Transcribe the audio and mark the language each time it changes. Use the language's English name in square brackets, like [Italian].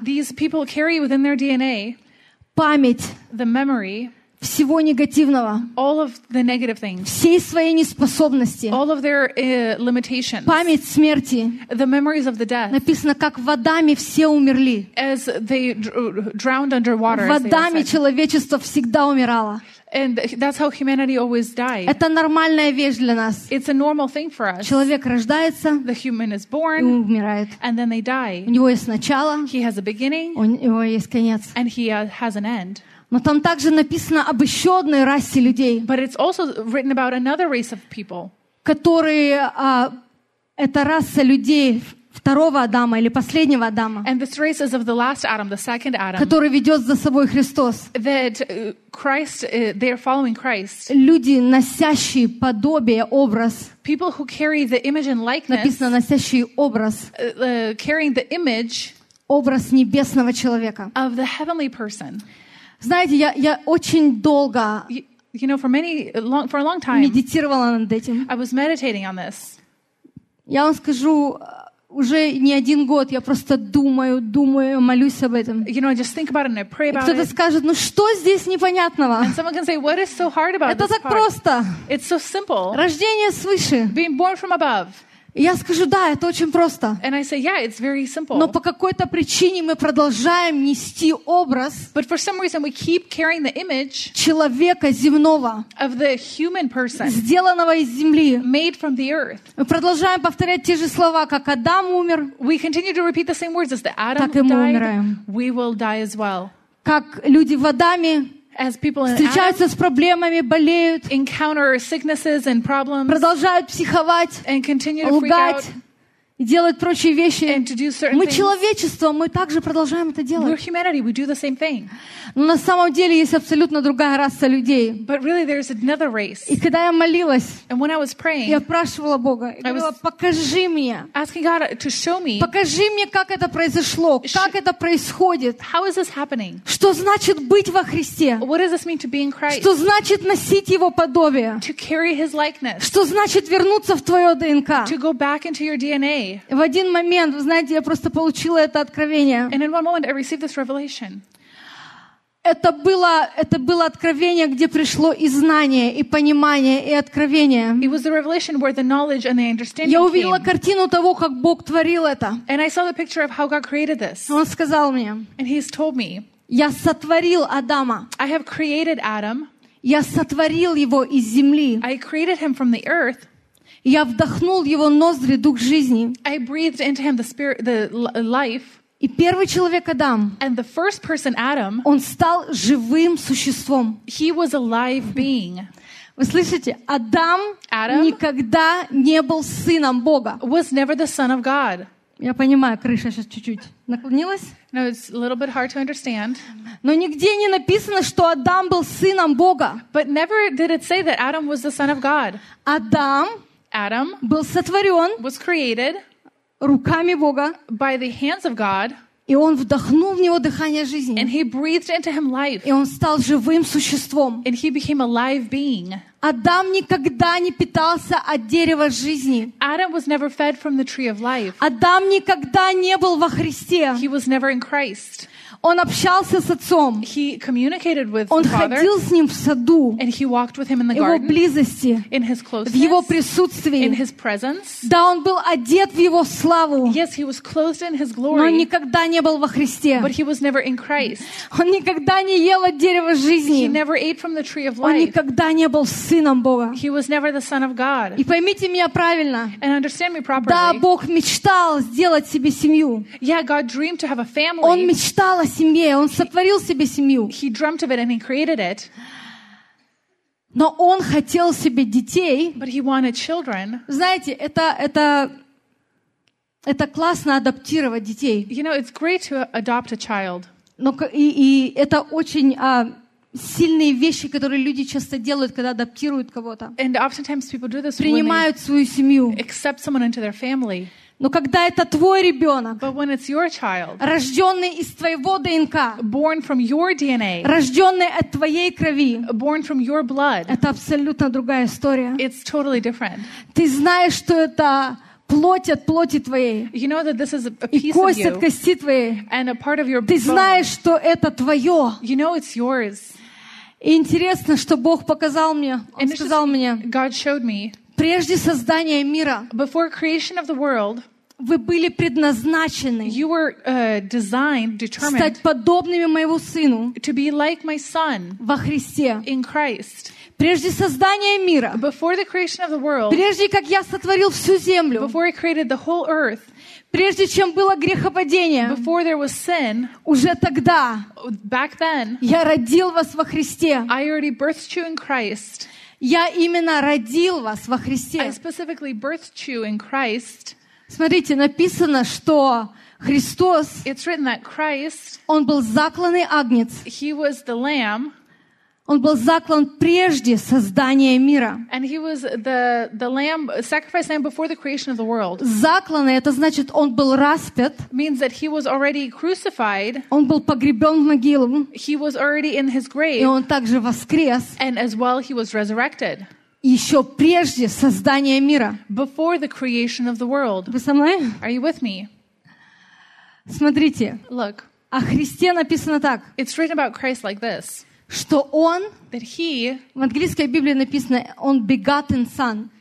[English] These people carry within their DNA [Russian] память, [English] the memory, [Russian] всего негативного, [English] all of the negative things, [Russian] всей своей неспособности, [English] all of their, limitations, [Russian] память смерти, [English] the memories of the death, [Russian] написано, как в Адаме все умерли. [English] As they drowned underwater, [Russian] в Адаме человечество всегда умирало. [English] And that's how humanity always died. [Russian] Это нормальная вещь для нас. [English] It's a normal thing for us. [Russian] Человек рождается, [English] the human is born, [Russian] и умирает. [English] And then they die. [Russian] У него есть начало, [English] he has a beginning, [Russian] у него есть конец. [English] And he has an end. [Russian] Но там также написано об еще одной расе людей, [English] but it's also written about another race of people. [Russian] Которые, это раса людей второго Адама или последнего Адама, [English] and this race is of the last Adam, the second Adam, [Russian] который ведет за собой Христос. [English] That Christ, they are following Christ. [Russian] Люди, носящие подобие, образ. [English] People who carry the image and likeness. [Russian] Написано, носящие образ. [English] Carrying the image. [Russian] Образ небесного человека. [English] Of the heavenly person. [Russian] Знаете, я очень долго, [English] you know, for a long time, [Russian] медитировала над этим. [English] I was meditating on this. [Russian] Я вам скажу, уже не один год я просто думаю, молюсь об этом. [English] You know, I just think about it and I pray about it. [Russian] Кто-то скажет, ну что здесь непонятного? [English] And someone can say, what is so hard about this? [Russian] Это так просто. [English] It's so simple. [Russian] Рождение свыше. [English] Being born from above. [Russian] Я скажу, да, это очень просто. [English] And I say, yeah, it's very simple. [Russian] Но по какой-то причине мы продолжаем нести образ, [English] but for some reason we keep carrying the image, [Russian] человека земного, [English] of the human person, [Russian] сделанного из земли, [English] made from the earth. [Russian] Мы продолжаем повторять те же слова, как Адам умер, [English] we continue to repeat the same words as the Adam, [Russian] так и мы [English] died, [Russian] умираем. [English] We will die as well. [Russian] Как люди в Адаме, [English] as people in [Russian] встречаются [English] Adam, [Russian] с проблемами, болеют, [English] encounter sicknesses and problems, [Russian] продолжают психовать, [English] and continue to [Russian] лгать, [English] freak out, [Russian] и делать прочие вещи. [English] And to do certain [Russian] мы [English] things. [Russian] Человечество, мы также продолжаем это делать. [English] We're humanity, we do the same thing. [Russian] Но на самом деле есть абсолютно другая раса людей. [English] But really, there's another race. [Russian] И когда я молилась, [English] and when I was praying, [Russian] я спрашивала Бога, я говорила, покажи мне, [English] asking God to show me, [Russian] покажи мне, как это произошло, как это происходит. [English] How is this happening? [Russian] Что значит быть во Христе? [English] What does this mean to be in Christ? [Russian] Что значит носить Его подобие? [English] To carry His likeness. [Russian] Что значит вернуться в твое ДНК? [English] To go back into your DNA. [Russian] В один момент, вы знаете, я просто получила это откровение. [English] And in one moment I received this revelation. [Russian] Это было откровение, где пришло и знание, и понимание, и откровение. [English] It was the revelation where the knowledge and the understanding came. [Russian] Я увидела [English] came. [Russian] Картину того, как Бог творил это. [English] And I saw the picture of how God created this. [Russian] Он сказал мне. [English] And He's told me. [Russian] Я сотворил Адама. [English] I have created Adam. [Russian] Я сотворил его из земли. [English] I created him from the earth. [Russian] Я вдохнул его ноздри дух жизни. [English] I breathed into him the spirit, the life. [Russian] И первый человек Адам, [English] and the first person, Adam, [Russian] он стал живым существом. [English] He was a live being. [Russian] Вы слышите? Адам, [English] Adam, [Russian] никогда не был сыном Бога. [English] Was never the son of God. [Russian] Я понимаю, крыша сейчас чуть-чуть наклонилась. [English] No, it's a little bit hard to understand. [Russian] Но нигде не написано, что Адам был сыном Бога. [English] But never did it say that Adam was the son of God. [Russian] Адам, [English] Adam, [Russian] был сотворен, [English] was created, [Russian] руками Бога, [English] by the hands of God, [Russian] и он вдохнул в него дыхание жизни, [English] and he breathed into him life, [Russian] и он стал живым существом, [English] and he became a live being. [Russian] Адам никогда не питался от дерева жизни. [English] Adam was never fed from the tree of life. [Russian] Адам никогда не был во Христе. [English] He was never in Christ. [Russian] Он общался с Отцом. [English] He communicated with [Russian] он [English] the Father. [Russian] Он ходил с ним в саду. [English] And he walked with him in the garden. [Russian] Его близости. [English] In his closeness. [Russian] В его присутствии. [English] In his presence. [Russian] Да, он был одет в его славу. [English] Yes, he was clothed in his glory. [Russian] Но он никогда не был во Христе. [English] But he was never in Christ. [Russian] Он никогда не ел от дерева жизни. [English] He never ate from the tree of life. [Russian] Он никогда не был сыном Бога. [English] He was never the son of God. [Russian] И поймите меня правильно. [English] And understand me properly. [Russian] Да, Бог мечтал сделать себе семью. [English] Yeah, God dreamed to have a family. [Russian] Он мечтал о семье, он сотворил себе семью. [English] He dreamt of it and he created it. [Russian] Но он хотел себе детей. [English] But he wanted children. [Russian] Знаете, это классно адаптировать детей. [English] You know, it's great to adopt a child. [Russian] Но и это очень сильные вещи, которые люди часто делают, когда адаптируют кого-то. [English] And oftentimes people do this. [Russian] Принимают свою семью. [English] Accept someone into their family. [Russian] Но когда это твой ребенок, [English] but when it's your child, [Russian] рожденный из твоего ДНК, [English] born from your DNA, [Russian] рожденный от твоей крови, [English] born from your blood, [Russian] это абсолютно другая история. [English] It's totally different. [Russian] Ты знаешь, что это плоть от плоти твоей, [English] you know that this is a piece [Russian] и кость от кости твоей, [English] and a part of your [Russian] ты знаешь, [English] bone. [Russian] Что это твое. [English] You know it's yours. [Russian] Интересно, что Бог показал мне, Он сказал мне, прежде создания мира, [English] before creation of the world, [Russian] вы были предназначены [English] you were, designed, determined, [Russian] стать подобными моему сыну [English] to be like my son, [Russian] во Христе. [English] In Christ. [Russian] Прежде создания мира, [English] before the creation of the world, [Russian] прежде как я сотворил всю землю, [English] before I created the whole earth, [Russian] прежде чем было грехопадение, [English] before there was sin, [Russian] уже тогда [English] back then, [Russian] я родил вас во Христе. [English] I already birthed you in Christ. [Russian] Я именно родил вас во Христе. [English] I specifically birthed you in Christ. [Russian] Смотрите, написано, что Христос, [English] it's written that Christ, [Russian] Он был закланный агнец. [English] He was the lamb, [Russian] Он был заклан прежде создания мира. [English] And he was the lamb, sacrificed lamb before the creation of the world. [Russian] Закланный, это значит, Он был распят. [English] Means that he was already crucified. [Russian] Он был погребен в могилу. [English] He was already in his grave. [Russian] И Он также воскрес. [English] And as well he was resurrected. [Russian] Еще прежде создания мира. [English] Before the creation of the world. [Russian] Вы со мной? [English] Are you with me? [Russian] Смотрите. [English] Look. [Russian] О Христе написано так. [English] It's written about Christ like this. [Russian] Что Он... [English] That he... [Russian] В английской Библии написано, Он [English] begotten son.